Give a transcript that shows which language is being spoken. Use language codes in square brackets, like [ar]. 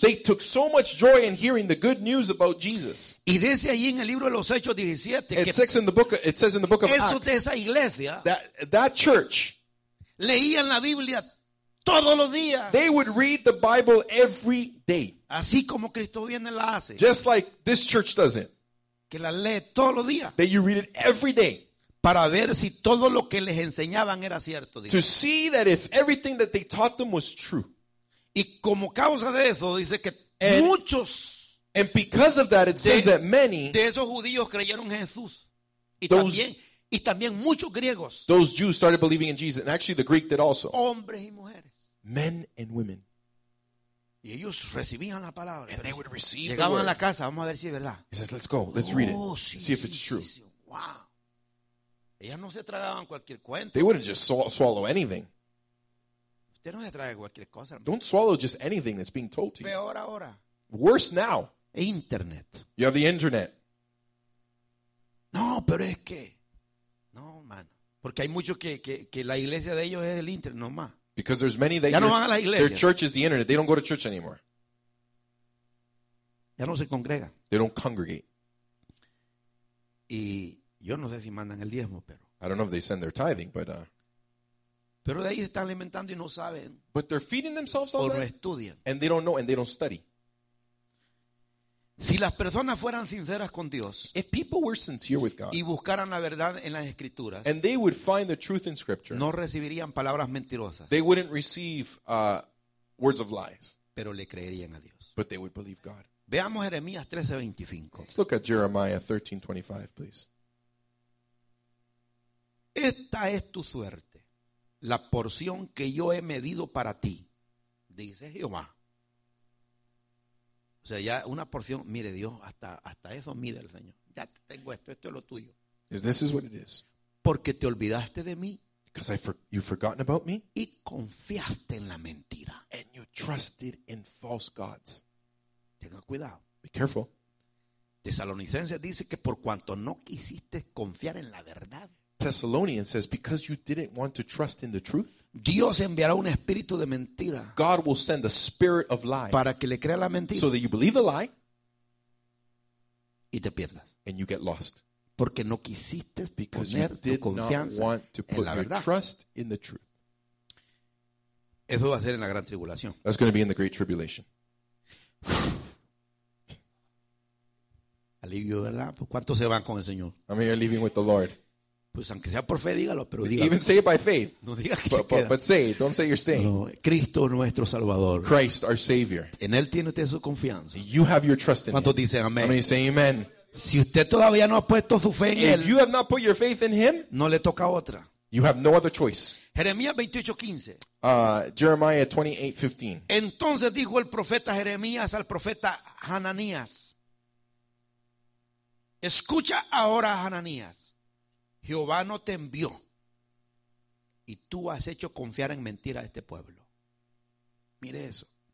[en] They took so much joy in hearing the good news about Jesus. [es] Y dice ahí en el libro de los Hechos 17, [en] it says in the book of [es] Acts, de esa iglesia, [en] that church, [es] leían la Biblia todos los días. [en] They would read the Bible every day. [es] Así como Cristo viene la hace. [en] Just like this church does it. [es] Que la lee todos los días. [en] That you read it every day. [es] Para ver si todo lo que les enseñaban era cierto. [en] To see that if everything that they taught them was true. [es] Y como causa de eso dice que muchos. [en] And because of that it says that many. [es] De esos judíos creyeron en Jesús. Y también muchos griegos. [en] Those Jews started believing in Jesus. And actually the Greek did also. [es] Hombres y mujeres. [en] Men and women. [es] Y ellos recibían la palabra. [en] And they would receive [es] llegaban [en] the word. [es] A la casa. Vamos a ver si es verdad. [en] He says, let's go. Let's read it. See if it's true. Wow. [es] Ellas no se tragaban cualquier cuento. [en] They wouldn't just swallow anything. [es] Usted no se traga cualquier cosa. [en] Don't swallow just anything that's being told to you. [es] Peor ahora. [en] Worse now. [es] Internet. [en] You have the internet. [es] No, pero es que. No, mano. Porque hay muchos que la iglesia de ellos es el internet, no más. [en] Because there's many that [es] ya no van a las iglesias. [en] Their church is the internet. They don't go to church anymore. [es] Ya no se congregan. [en] They don't congregate. [es] Y yo no sé si mandan el diezmo, pero. [en] I don't know if they send their tithing, but. [es] Pero de ahí están alimentando y no saben. [en] But they're feeding themselves all [es] o [en] that. [es] O no estudian. [en] And they don't know and they don't study. [es] Si las personas fueran sinceras con Dios. [en] If people were sincere with God. [es] Y buscaran la verdad en las escrituras. [en] And they would find the truth in scripture. [es] No recibirían palabras mentirosas. [en] They wouldn't receive words of lies. [es] Pero le creerían a Dios. [en] But they would believe God. [es] Veamos Jeremías 13:25. [en] Let's look at Jeremiah 13:25, please. [es] Esta es tu suerte, la porción que yo he medido para ti, dice Jehová. O sea, ya una porción, mire Dios, hasta eso mide el Señor. Ya tengo esto es lo tuyo. [en] This is what it is. [es] Porque te olvidaste de mí. [en] Because you've forgotten about me. [es] Y confiaste en la mentira. [en] And you trusted in false gods. [es] Tenga cuidado. [en] Be careful. [es] Tesalonicenses dice que por cuanto no quisiste confiar en la verdad. [en] Thessalonians says, because you didn't want to trust in the truth, [es] Dios enviará un espíritu de mentira. [en] God will send a spirit of lie [es] para que le crea la mentira. [en] So that you believe the lie [es] y te pierdas. [en] And you get lost. [es] Porque no quisiste [en] because [es] poner [en] you did [es] tu confianza [en] not want to put your trust in the truth. [es] Eso va a ser en la gran tribulación. [en] That's going to be in the great tribulation. [es] Alivio, ¿verdad? ¿Cuántos se van con el Señor? [en] I mean, you're leaving with the Lord. [es] Pues aunque sea por fe, dígalo, pero dígalo. [en] Even say it by faith. [es] No digas que [en] but say it. Don't say you're staying. [es] No, Cristo nuestro Salvador. [en] Christ our Savior. [es] En Él tiene usted su confianza. [en] You have your trust in [es] ¿cuántos [en] him? [es] Dicen amén? [en] How many say amen? [es] Si usted todavía no ha puesto su fe en [en] if [es] Él. [en] If you have not put your faith in Him. [es] No le toca otra. [en] You have no other choice. [es] Jeremías 28:15. [en] Jeremiah 28:15. [es] Entonces dijo el profeta Jeremías al profeta Hananías. Escucha ahora a Hananías. Jehová no te envió y tú has hecho confiar en mentira a este pueblo. Mire eso.